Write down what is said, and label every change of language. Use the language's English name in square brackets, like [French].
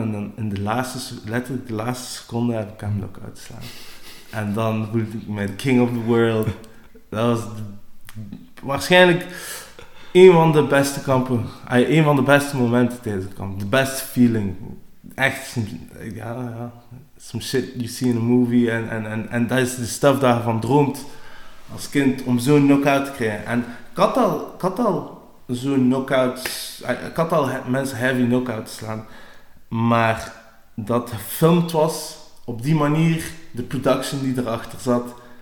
[Dutch] En dan in de laatste, letterlijk de laatste seconde heb ik hem nog uitgeslagen. En dan voelde ik mij de [English] king of the world. [Dutch] Dat was waarschijnlijk een van de beste kampen. Een van de beste momenten tijdens de kamp. De beste feeling. Echt, ja. [English] Some shit you see in a movie. [Dutch] En dat is de stuff dat je van droomt. Als kind, om zo'n knock-out te krijgen. En ik had al zo'n knock-out... Ik had al mensen heavy knock-out te slaan. Maar dat gefilmd was, op die manier, de production die erachter zat.